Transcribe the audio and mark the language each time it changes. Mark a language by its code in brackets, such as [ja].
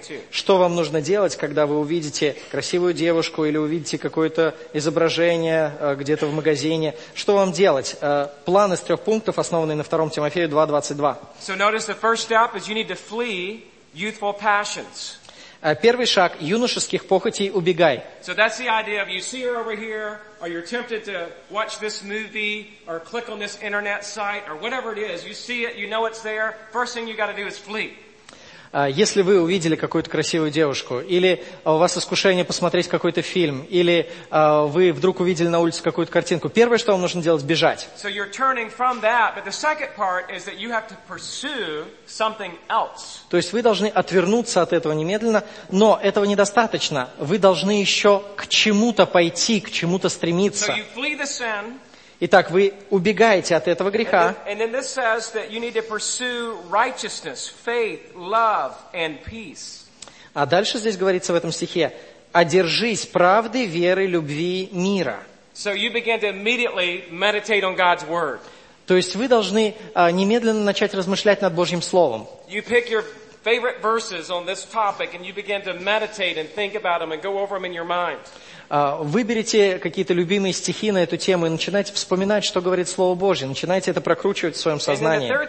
[ru] Что вам нужно делать, когда вы увидите красивую девушку или увидите какое-то изображение где-то в магазине? Что вам делать? План из трех пунктов, основанный на 2 Тимофею 2:22. [en] So notice the first step is you need to flee youthful passions. [ru] Первый шаг – юношеских похотей убегай. [en] So that's the idea of you see her over here, or you're tempted to watch this movie, or click on this internet site, or whatever it is. You see it, you know it's there. First thing you got to do is flee. [ru] Если вы увидели какую-то красивую девушку, или у вас искушение посмотреть какой-то фильм, или вы вдруг увидели на улице какую-то картинку, первое, что вам нужно делать, бежать. [en] So you're turning from that, but the second part is that you have to pursue something else. [ru] То есть вы должны отвернуться от этого немедленно, но этого недостаточно. Вы должны еще к чему-то пойти, к чему-то стремиться. [en] So you flee the sin. [ru] Итак, вы убегаете от этого греха. [en] And then this says that you need to pursue righteousness, faith, love, and peace. [ru] А дальше здесь говорится в этом стихе: «Одержись правды, веры, любви, мира». [en] So you begin to immediately meditate on God's word. [ru] То есть вы должны немедленно начать размышлять над Божьим Словом. [en] You pick your favorite verses on this topic, and you begin to meditate and think about them and go over them in your mind. [ru] Выберите какие-то любимые стихи на эту тему и начинайте вспоминать, что говорит Слово Божье. Начинайте это прокручивать в своем сознании.